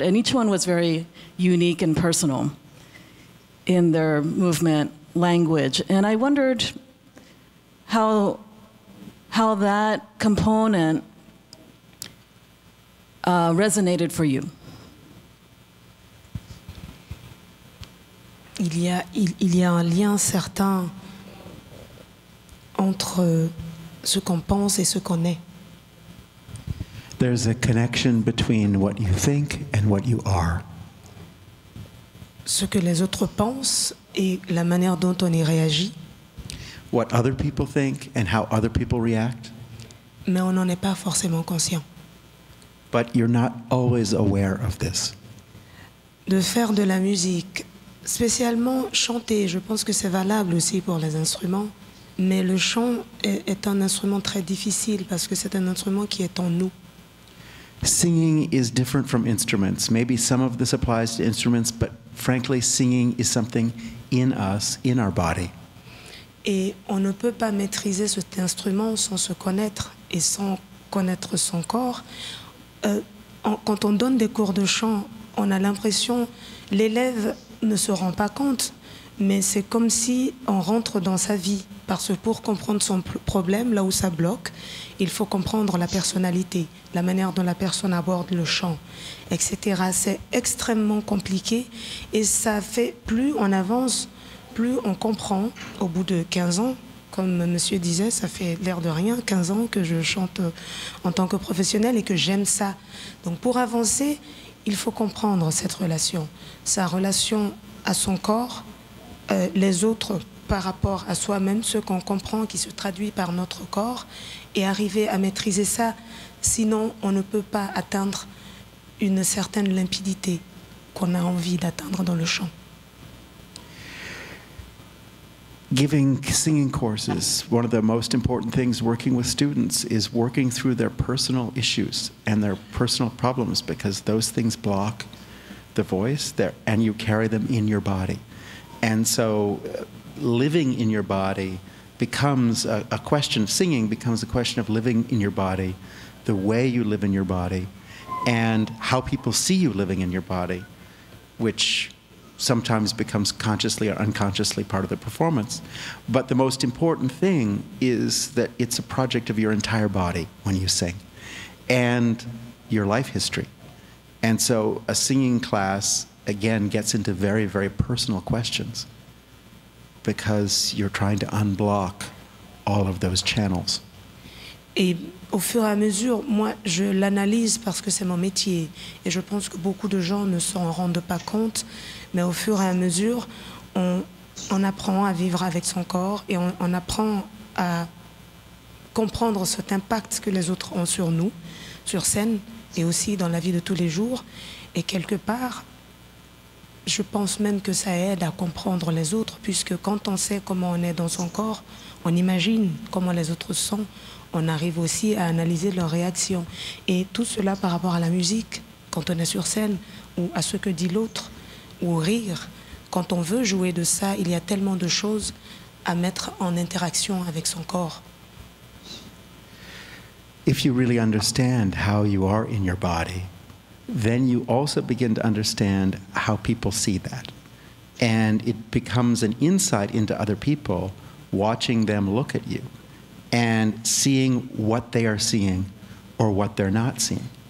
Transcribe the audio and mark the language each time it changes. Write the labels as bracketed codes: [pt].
[en] And each one was very unique and personal in their movement language. And I wondered how that component resonated for you. [fr] Il y a un lien certain entre ce qu'on pense et ce qu'on est. [en] There's a connection between what you think and what you are. [fr] Ce que les autres pensent et la manière dont on y réagit. [en] What other people think and how other people react. [fr] Mais on n'en est pas forcément conscient. [en] But you're not always aware of this. [fr] De faire de la musique, spécialement chanter, je pense que c'est valable aussi pour les instruments, mais le chant est un instrument très difficile parce que c'est un instrument qui est en nous. [en] Singing is different from instruments. Maybe some of this applies to instruments, but frankly, singing is something in us, in our body. [fr] Et on ne peut pas maîtriser cet instrument sans se connaître et sans connaître son corps. Quand on donne des cours de chant, on a l'impression, l'élève ne se rend pas compte, mais c'est comme si on rentre dans sa vie, parce que pour comprendre son problème, là où ça bloque, il faut comprendre la personnalité, la manière dont la personne aborde le chant, etc. C'est extrêmement compliqué, et ça fait, plus on avance, plus on comprend, au bout de 15 ans, comme monsieur disait, ça fait l'air de rien, 15 ans que je chante en tant que professionnelle et que j'aime ça. Donc pour avancer, il faut comprendre cette relation, sa relation à son corps, les autres par rapport à soi-même, ce qu'on comprend qui se traduit par notre corps, et arriver à maîtriser ça, sinon on ne peut pas atteindre une certaine limpidité qu'on a envie d'atteindre dans le chant. [en] Giving singing courses, one of the most important things working with students is working through their personal issues and their personal problems, because those things block the voice there, and you carry them in your body. And so living in your body becomes a question, singing becomes a question of living in your body, the way you live in your body, and how people see you living in your body, which sometimes becomes consciously or unconsciously part of the performance. But the most important thing is that it's a project of your entire body when you sing, and your life history. And so a singing class, again, gets into very, very personal questions because you're trying to unblock all of those channels. [fr] Et au fur et à mesure, moi, je l'analyse parce que c'est mon métier. Et je pense que beaucoup de gens ne s'en rendent pas compte. Mais au fur et à mesure, on apprend à vivre avec son corps et on apprend à comprendre cet impact que les autres ont sur nous, sur scène et aussi dans la vie de tous les jours. Et quelque part, je pense même que ça aide à comprendre les autres, puisque quand on sait comment on est dans son corps, on imagine comment les autres sont. On arrive aussi à analyser leurs réactions. Et tout cela par rapport à la musique, quand on est sur scène, ou à ce que dit l'autre, ou rire, quand on veut jouer de ça, il y a tellement de choses à mettre en interaction avec son corps. [en] If you really understand how you are in your body, then you also begin to understand how people see that. And it becomes an insight into other people, watching them look at you and seeing what they are seeing or what they're not seeing.